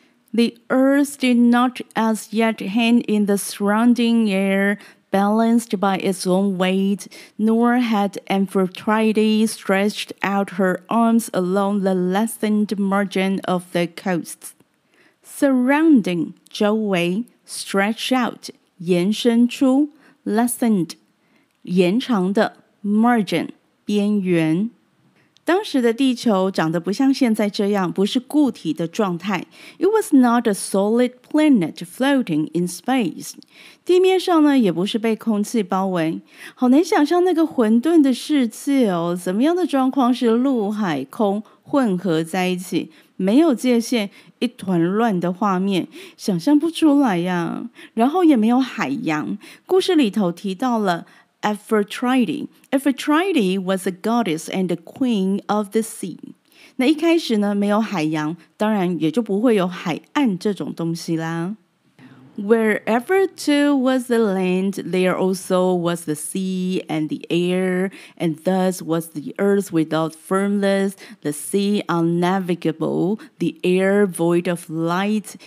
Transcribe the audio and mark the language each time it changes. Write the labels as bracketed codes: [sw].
[en] The earth did not as yet hang in the surrounding air balanced by its own weight nor had Amphitrite stretched out her arms along the lessened margin of the coast Surrounding 周围 stretch out 延伸出 lessened 延长的 margin边缘， [zh] 当时的地球长得不像现在这样，不是固体的状态。 [en] It was not a solid planet floating in space. [zh] 地面上呢，也不是被空气包围。好难想象那个混沌的世界哦，怎么样的状况是陆海空混合在一起，没有界限，一团乱的画面，想象不出来呀。然后也没有海洋。故事里头提到了Amphitrite. [en] Amphitrite was a goddess and the queen of the sea. [zh] 那一开始呢，没有海洋，当然也就不会有海岸这种东西啦。 [en] Wherever too was the land, there also was the sea and the air, and thus was the earth without firmness, the sea unnavigable, the air void of light.